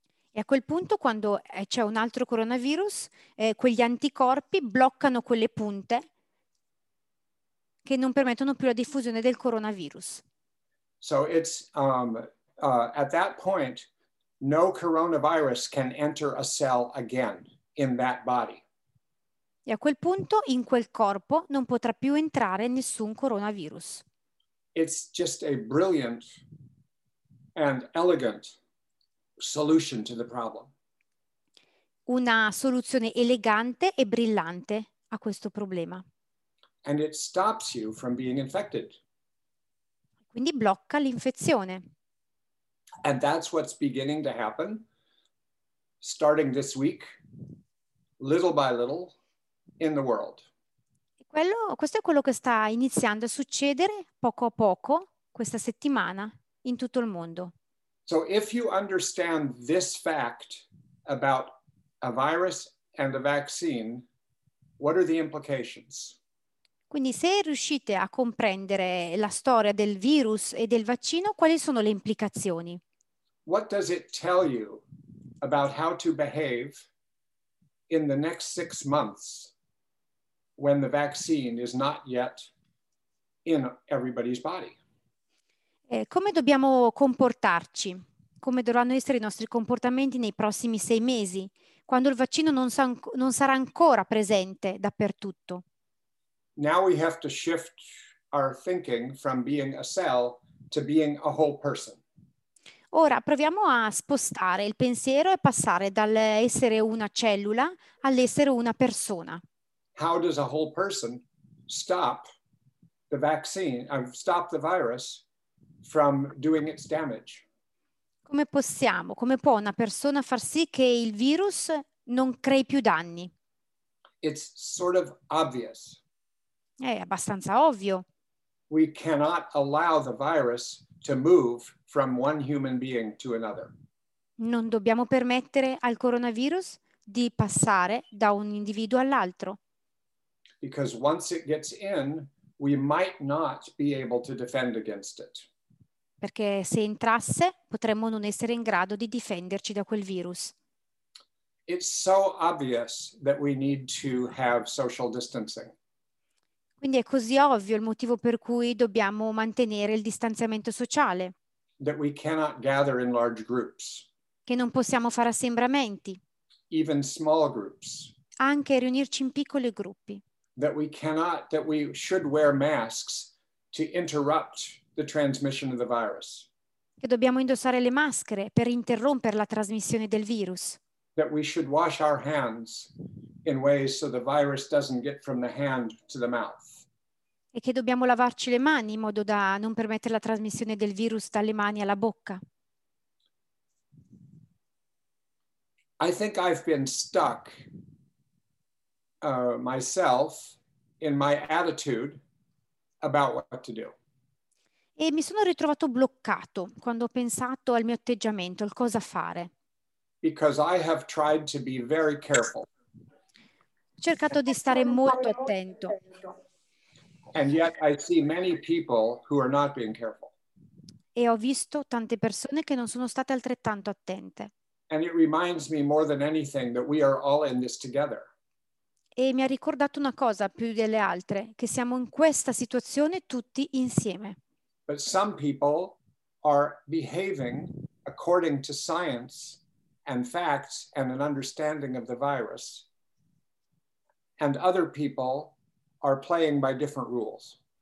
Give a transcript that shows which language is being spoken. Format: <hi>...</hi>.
<it>E a quel punto, quando c'è un altro coronavirus, quegli anticorpi bloccano quelle punte che non permettono più la diffusione del coronavirus.</it> <en>So it's at that point no coronavirus can enter a cell again in that body.</en> <it>E a quel punto in quel corpo non potrà più entrare nessun coronavirus.</it> <en>It's just a brilliant and elegant solution to the problem.</en> <it>Una soluzione elegante e brillante a questo problema.</it> <en>And it stops you from being infected.</en> <it>Quindi blocca l'infezione.</it> <en>And that's what's beginning to happen, starting this week, little by little, in the world.</en> <it>Questo è quello che sta iniziando a succedere poco a poco questa settimana in tutto il mondo.</it> <en>So if you understand this fact about a virus and a vaccine, what are the implications?</en> <it>Quindi se riuscite a comprendere la storia del virus e del vaccino, quali sono le implicazioni?</it> <en>What does it tell you about how to behave in the next 6 months when the vaccine is not yet in everybody's body?</en> <it>Come dobbiamo comportarci? Come dovranno essere i nostri comportamenti nei prossimi 6 mesi, quando il vaccino non sarà ancora presente dappertutto?</it> <en>Now we have to shift our thinking from being a cell to being a whole person.</en> <it>Ora proviamo a spostare il pensiero e passare dall'essere una cellula all'essere una persona.</it> <en>How does a whole person stop the virus from doing its damage?</en> <it>Come può una persona far sì che il virus non crei più danni?</it> <en>It's sort of obvious.</en> <it>È abbastanza ovvio.</it> <en>We cannot allow the virus to move from one human being to another.</en> <it>Non dobbiamo permettere al coronavirus di passare da un individuo all'altro.</it> <en>Because once it gets in, we might not be able to defend against it.</en> <it>Perché se entrasse, potremmo non essere in grado di difenderci da quel virus.</it> <en>It's so obvious that we need to have social distancing.</en> <it>Quindi è così ovvio il motivo per cui dobbiamo mantenere il distanziamento sociale.</it> <en>That we cannot gather in large groups.</en> <it>Che non possiamo fare assembramenti.</it> <en>Even small groups.</en> <it>Anche riunirci in piccoli gruppi.</it> <en>That we should wear masks to interrupt the transmission of the virus.</en> <it>Che dobbiamo indossare le maschere per interrompere la trasmissione del virus.</it> <en>That we should wash our hands in ways so the virus doesn't get from the hand to the mouth.</en> <it>E che dobbiamo lavarci le mani in modo da non permettere la trasmissione del virus dalle mani alla bocca.</it> <en>I think I've been stuck myself in my attitude about what to do.</en> <it>E mi sono ritrovato bloccato quando ho pensato al mio atteggiamento, al cosa fare.</it> <en>Because I have tried to be very careful.</en> <it>Ho cercato di stare molto attento.</it> <en>And yet I see many people who are not being careful.</en> <it>E ho visto tante persone che non sono state altrettanto attente.</it> <en>And it reminds me more than anything that we are all in this together.</en> <it>E mi ha ricordato una cosa più delle altre, che siamo in questa situazione tutti insieme.</it> <en>But some people are behaving according to science and facts and an understanding of the virus. And other people are playing by different rules.</en>